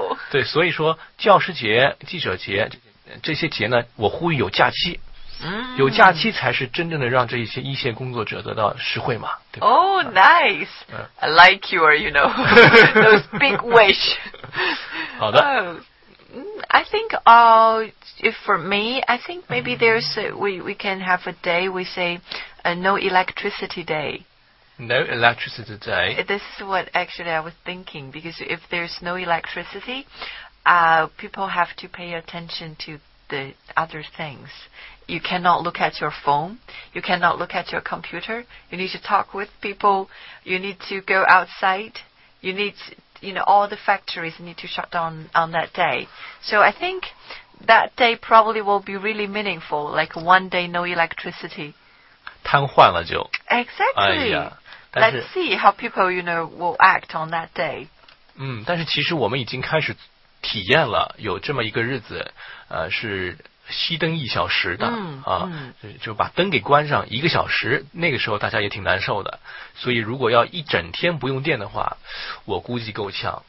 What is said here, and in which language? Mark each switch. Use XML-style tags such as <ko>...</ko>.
<zh>对，所以说教师节、记者节这些节呢，我呼吁有假期。有假期才是真正的让这些一线工作者得到实惠嘛，对吧</zh> <en>Oh, nice. I like your, you know, those big wish.</en> <zh>好的。</zh> <en>I think if for me, I think maybe there's we can have a day we say no electricity day. No electricity day. This is what actually I was thinking, because if there's no electricity, people have to pay attention to the other things. You cannot look at your phone. You cannot look at your computer. You need to talk with people. You need to go outside. You need to, you know, all the factories need to shut down on that day. So I think that day probably will be really meaningful, like one day no electricity.</en> <zh>瘫痪了就。</zh> <en>Exactly. 哎呀，</en> <zh>但是</zh> <en>Let's see how people, you know, will act on that day.</en> <zh>但是其实我们已经开始体验了有这么一个日子，是熄灯一小时的，就把灯给关上一个小时，那个时候大家也挺难受的。所以如果要一整天不用电的话，我估计够呛。</zh>